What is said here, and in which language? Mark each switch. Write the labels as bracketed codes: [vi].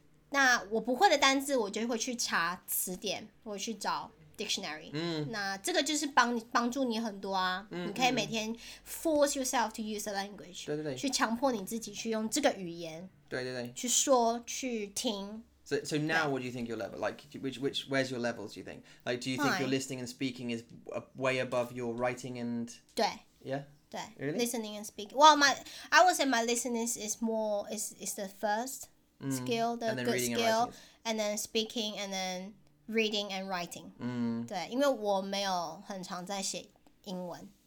[zh] 那我不会的单字，我就会去查词典，我去找。 Dictionary，那这个就是帮助你很多啊。你可以每天 [en] force yourself to use the language， [zh] 对对对，去强迫你自己去用这个语言，对对对，去说去听。 [en] So now, what do you think your level like? Which where's your levels? Do you think like do you think your listening and speaking is way above your writing and [zh] 对 [en] yeah [zh] 对 [en] really listening and speaking. Well, I would say my listening is the first skill, the good skill, and then speaking and then. Reading and writing. [zh] 对，因为我没有很常在写英文。